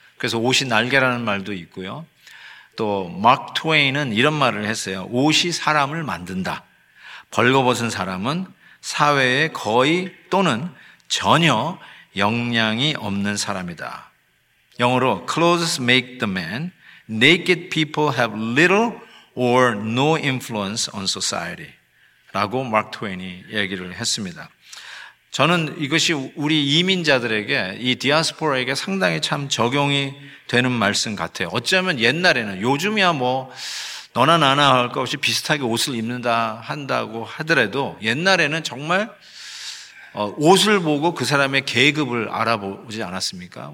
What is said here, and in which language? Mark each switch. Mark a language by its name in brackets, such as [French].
[Korean] 그래서 옷이 날개라는 말도 있고요. 또 마크 트웨인은 이런 말을 했어요. 옷이 사람을 만든다. 벌거벗은 사람은 사회에 거의 또는 전혀 영향이 없는 사람이다. 영어로 [English] clothes make the man. Naked people have little or no influence on society. [Korean] 라고 마크 트웨인이 얘기를 했습니다. 저는 이것이 우리 이민자들에게, 이 디아스포라에게 상당히 참 적용이 되는 말씀 같아요. 어쩌면 옛날에는, 요즘이야 뭐 너나 나나 할 것 없이 비슷하게 옷을 입는다 한다고 하더라도 옛날에는 정말 옷을 보고 그 사람의 계급을 알아보지 않았습니까?